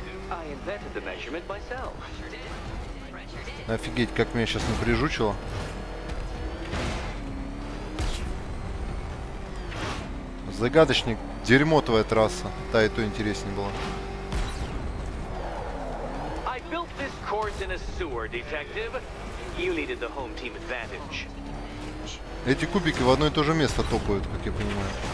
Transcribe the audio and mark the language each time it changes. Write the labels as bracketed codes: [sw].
[en] I invented the measurement myself. [ru] Офигеть, как меня сейчас напряжучило. Загадочник, дерьмо твоя трасса. Та и то интереснее было. [en] I built this course in a sewer, detective. You needed the home team advantage. [ru] Эти кубики в одно и то же место топают, как я понимаю.